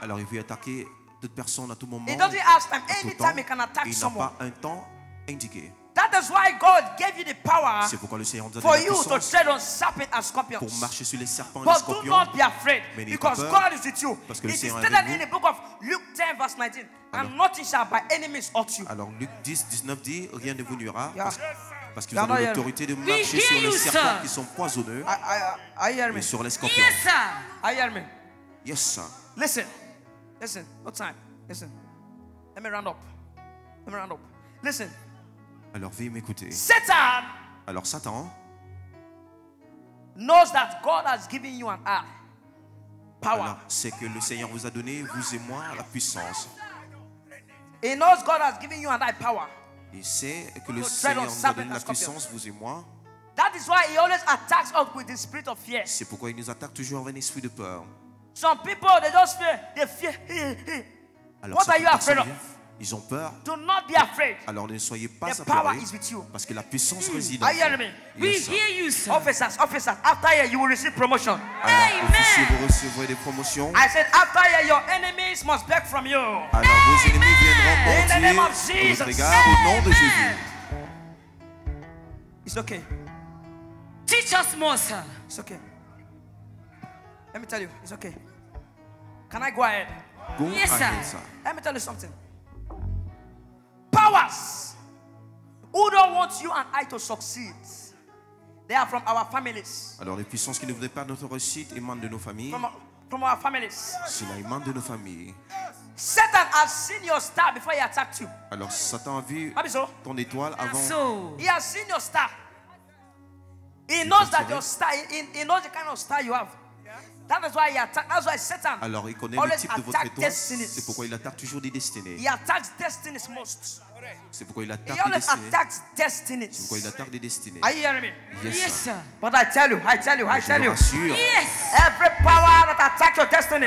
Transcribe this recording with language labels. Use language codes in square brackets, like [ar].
[fr] Alors il peut attaquer toute personne à tout moment. [en] He doesn't ask time. Any time he can attack [fr] il [en] someone. [fr] Il n'a pas un temps indiqué. [en] That is why God gave you the power. [fr] C'est pourquoi le Seigneur nous a donné la puissance. [en] For you to tread on serpents and scorpions. [fr] Pour marcher sur les serpents [en] but [fr] et les scorpions. [en] But do not be afraid, because God is with you. [fr] Parce que le Seigneur est avec vous. [en] It is stated in the book of Luke 10 verse 19, and nothing shall by any means hurt you. [fr] Alors Luke 10, 19 dit, rien ne vous nuira parce que vous avez l'autorité de marcher sur les serpents qui sont poisonneux. [en] I hear me. [fr] Et sur les scorpions. [en] Yes, sir. I hear me. Yes, sir. Listen, listen. No time. Listen. Let me round up. Let me round up. Listen. [fr] Alors veuillez m'écouter. Satan. Alors Satan [en] knows that God has given you and I power. [fr] Alors c'est que le Seigneur vous a donné vous et moi la puissance. [en] He knows God has given you and I power. [fr] Il sait que le Seigneur vous a donné la puissance vous et moi. [en] That is why he always attacks us with the spirit of fear. [fr] C'est pourquoi il nous attaque toujours avec un esprit de peur. [en] Some people they just fear. They fear. [fr] Alors, [en] what are you afraid of? [fr] Ils ont peur. [en] Do not be afraid. [fr] Alors ne soyez pas [en] the power is with you. [fr] Parce que la puissance réside en vous. [en] We hear you, sir. Officers, officers, after here you will receive promotion. [fr] Alors, amen. Vous recevrez des promotions. [en] I said after here your enemies must beg from you. [fr] Alors, amen. Vos ennemis viendront [en] in the name of Jesus. [fr] Regard, amen. Au nom de Jésus. [en] It's okay. Teach us more, sir. It's okay. Let me tell you, it's okay. Can I go ahead? Go yes, ahead, sir. Let me tell you something. Powers who don't want you and I to succeed, they are from our families. [fr] Alors les puissances qui ne voudraient pas notre réussite émanent de nos familles. [en] From our families. [fr] Cela émane de nos familles. [en] Satan has seen your star before he attacked you. [fr] Alors Satan a vu ton étoile avant. [en] So, he has seen your star. He knows that your star. He knows the kind of star you have. That is why he attacks. That's why Satan. [fr] Alors il connaît le type de votre étoile. Destinies. C'est pourquoi il attaque toujours des destinées. [en] He attacks destinies most. [fr] C'est pourquoi il attaque des destinées. [en] He always attacks destinies. [fr] C'est pourquoi il attaque des destinées. [en] Are you hearing me? Yes, sir. But I tell you. [fr] Je vous rassure. [en] Yes. Every power that attacks your destiny.